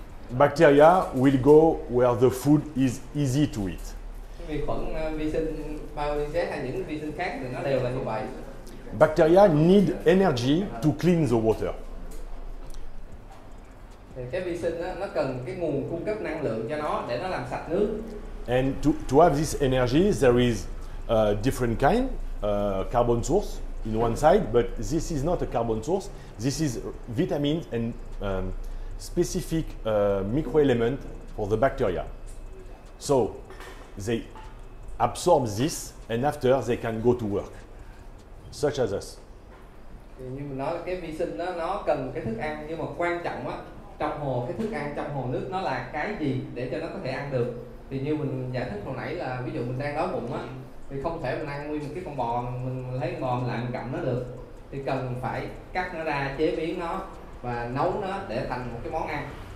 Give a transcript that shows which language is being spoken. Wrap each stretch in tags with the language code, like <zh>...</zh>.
<en>Bacteria will go where the food is easy to eat.</en> <vi>Vi khuẩn, vi sinh, bao vi sinh hay những vi sinh khác thì nó đều là như vậy.</vi> <en>Bacteria need energy to clean the water.</en> <vi>Cái vi sinh đó, nó cần cái nguồn cung cấp năng lượng cho nó để nó làm sạch nước.</vi> <en>And to have this energy, there is a different kind, carbon source in one side, but this is not a carbon source. This is vitamins and specific microelement for the bacteria. So they absorb this and after they can go to work. Such as us.</en> <vi>Thì như mình nói cái vi sinh đó, nó cần cái thức ăn, nhưng mà quan trọng á trong hồ, cái thức ăn trong hồ nước nó là cái gì để cho nó có thể ăn được. Thì như mình giải thích hồi nãy là ví dụ mình đang đói bụng á thì không thể mình ăn nguyên một cái con bò, mình lấy con bò mình làm cặm nó được, thì cần phải cắt nó ra, chế biến nó và nấu nó để thành một cái món ăn.</vi>